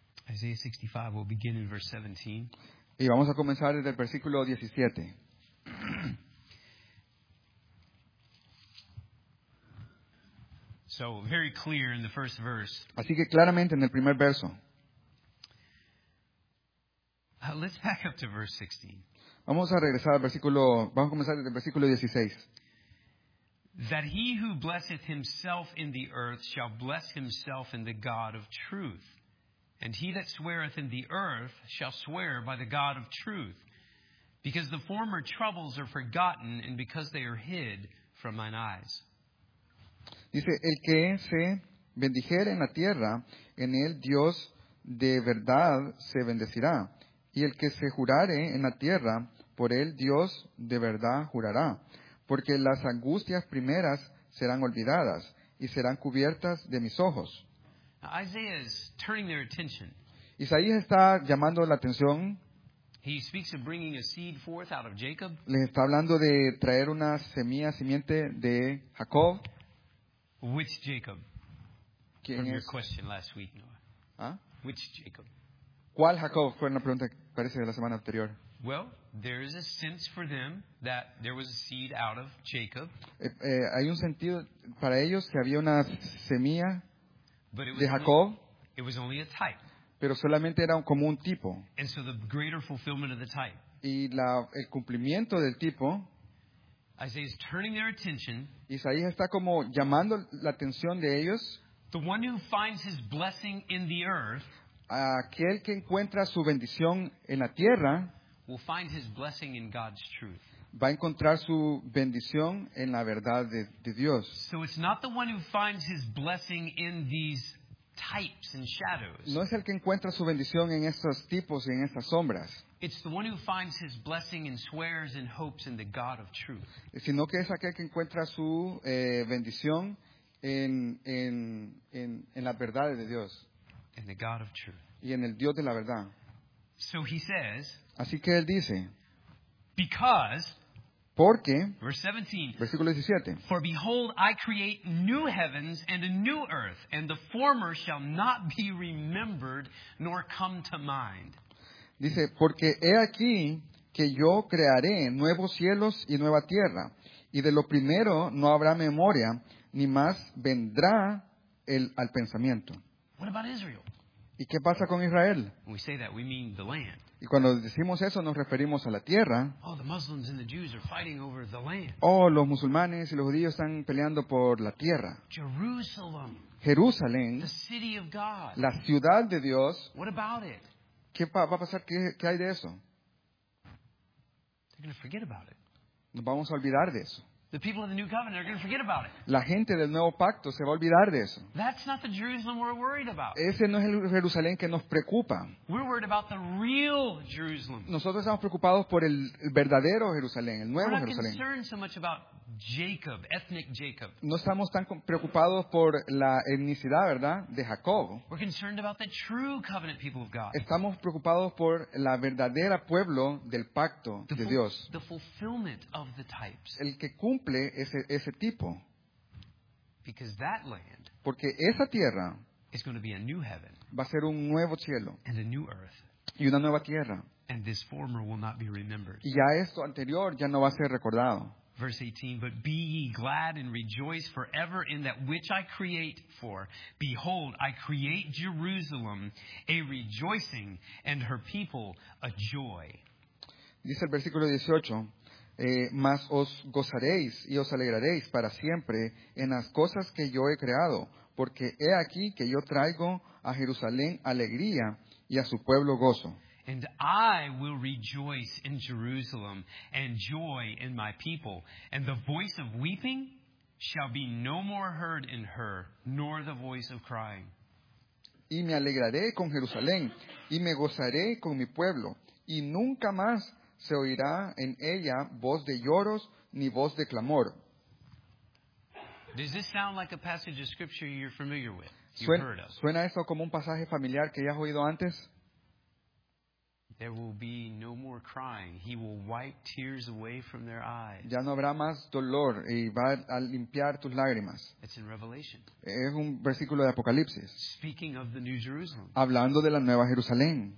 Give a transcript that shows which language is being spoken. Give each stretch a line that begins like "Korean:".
English: Isaiah 65, we'll begin in verse 17.
Spanish: Y vamos a comenzar desde el versículo 17.
English: So, very clear in the first verse.
Spanish: Así que claramente en el primer verso.
English: Let's back up to verse 16.
Spanish: Vamos a regresar al versículo, vamos a comenzar desde el versículo 16.
English: That he who blesseth himself in the earth shall bless himself in the God of truth. And he that sweareth in the earth shall swear by the God of truth, because the former troubles are forgotten and because they are hid from mine eyes.
Spanish: Dice, el que se bendijere en la tierra, en él Dios de verdad se bendecirá. Y el que se jurare en la tierra, por él Dios de verdad jurará. Porque las angustias primeras serán olvidadas y serán cubiertas de mis ojos.
English: Now, Isaiah is turning their attention.
Spanish: Isaías está llamando la atención.
English: He speaks of bringing a seed forth out of Jacob.
Spanish: Les está hablando de traer una semilla, simiente de Jacob.
English: Which Jacob?
Spanish: ¿Quién
English: From
Spanish: es?
English: Your question last week, Noah. ¿Ah? Which Jacob?
Spanish: ¿Cuál Jacob? Fue una pregunta que parece de la semana anterior.
English: Well, there is a sense for them that there was a seed out of Jacob.
Spanish: Hay un sentido para ellos que había una semilla.
English: But it was only a type.
Spanish: Pero solamente era como un tipo.
English: And so the greater fulfillment of the type.
Spanish: Y el cumplimiento del tipo.
English: Isaiah is turning their attention.
Spanish: Isaías está como llamando la atención de ellos.
English: The one who finds his blessing in the earth.
Spanish: Aquel que encuentra su bendición en la tierra.
English: Will find his blessing in God's truth.
Spanish: Va a encontrar su bendición en la verdad de Dios.
English: So it's not the one who finds his blessing in these types and shadows.
Spanish: No es el que encuentra su bendición en estos tipos y en estas sombras.
English: It's the one who finds his blessing and swears and hopes in the God of truth.
Spanish: Sino que es aquel que encuentra su bendición en las verdades de Dios.
English: In the God of truth.
Spanish: Y en el Dios de la verdad.
English: So he says.
Spanish: Así que él dice.
English: Because,
Spanish: porque,
English: verse 17,
Spanish: versículo 17,
English: for behold, I create new heavens and a new earth, and the former shall not be remembered nor come to mind.
Spanish: Dice, porque he aquí que yo crearé nuevos cielos y nueva tierra, y de lo primero no habrá memoria, ni más vendrá al pensamiento.
English: What about Israel?
Spanish: ¿Y qué pasa con Israel?
English: When we say that, we mean the land.
Spanish: Y cuando decimos eso, nos referimos a la tierra.
English: Oh, the Muslims and the Jews are fighting over the land.
Spanish: Oh, los musulmanes y los judíos están peleando por la tierra.
English: Jerusalem.
Spanish: Jerusalén.
English: The city of God.
Spanish: La ciudad de Dios.
English: What about it?
Spanish: ¿Qué va a pasar? ¿Qué hay de eso?
English: They're going to forget about it.
Spanish: Nos vamos a olvidar de eso.
English: The people of the new covenant are going to forget about it.
Spanish: La gente del nuevo pacto se va a olvidar de eso.
English: That's not the Jerusalem we're worried about.
Spanish: Ese no es el Jerusalén que nos preocupa.
English: We're worried about the real Jerusalem.
Spanish: Nosotros estamos preocupados por el verdadero Jerusalén, el nuevo
English: we're not
Spanish: Jerusalén.
English: Concerned so much about Jacob, ethnic Jacob.
Spanish: No estamos tan preocupados por la etnicidad, ¿verdad?, de Jacob.
English: We're concerned about the true covenant people of God.
Spanish: Estamos preocupados por la verdadera pueblo del pacto de Dios.
English: The fulfillment of the types.
Spanish: El que cumple ese tipo.
English: Because that land.
Spanish: Porque esa tierra.
English: Is going to be a new heaven.
Spanish: Va a ser un nuevo cielo.
English: And a new earth.
Spanish: Y una nueva tierra.
English: And this former will not be remembered.
Spanish: Y ya esto anterior ya no va a ser recordado.
English: Verse 18, but be ye glad and rejoice forever in that which I create, for behold, I create Jerusalem a rejoicing and her people a joy.
Spanish: Dice el versículo 18, mas os gozaréis y os alegraréis para siempre en las cosas que yo he creado, porque he aquí que yo traigo a Jerusalén alegría y a su pueblo gozo.
English: And I will rejoice in Jerusalem and joy in my people. And the voice of weeping shall be no more heard in her, nor the voice of crying.
Spanish: Y me alegraré con Jerusalén, y me gozaré con mi pueblo. Y nunca más se oirá en ella voz de lloros, ni voz de clamor.
English: Does this sound like a passage of scripture you're familiar with?
Spanish: ¿Suena esto como un pasaje familiar que ya has oído antes?
English: There will be no more crying. He will wipe tears away from their eyes.
Spanish: Ya no habrá más dolor y va a limpiar tus lágrimas.
English: It's in Revelation.
Spanish: Es un versículo de Apocalipsis.
English: Speaking of the New Jerusalem.
Spanish: Hablando de la Nueva Jerusalén.